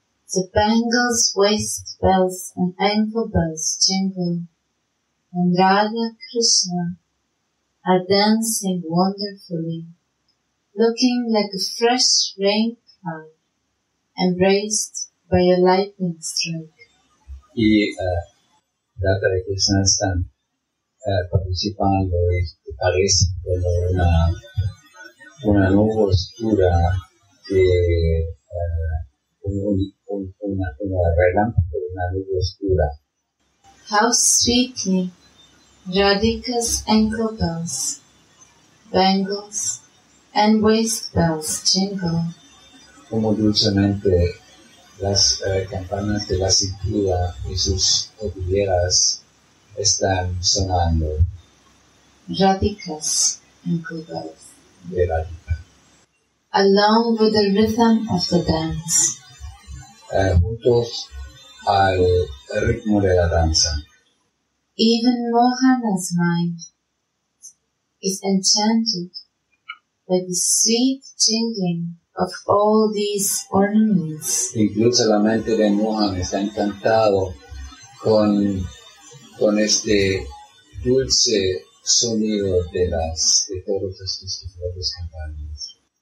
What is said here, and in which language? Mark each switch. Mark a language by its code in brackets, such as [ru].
[en] The bangles, waist bells, and ankle bells jingle, and Radha Krishna are dancing wonderfully, looking like a fresh rain cloud embraced by a lightning strike. [es] Y Radha y Krishna están participando y parece como una nube oscura que una relámpago, una nube oscura. [en] How sweetly Radhika's ankle bells, bangles, and waist bells jingle. [es] Como dulcemente las campanas de la cintura y sus tobilleras están sonando. [en] Radhika's ankle bells. [es] De Radhika. [en] Along with the rhythm of the dance. [es] Juntos al ritmo de la danza. [en] Even Mohana's mind is enchanted by the sweet jingling of all these ornaments. [es] Incluso la mente de Mohan está encantado con este dulce sonido de todos estos diferentes campanas.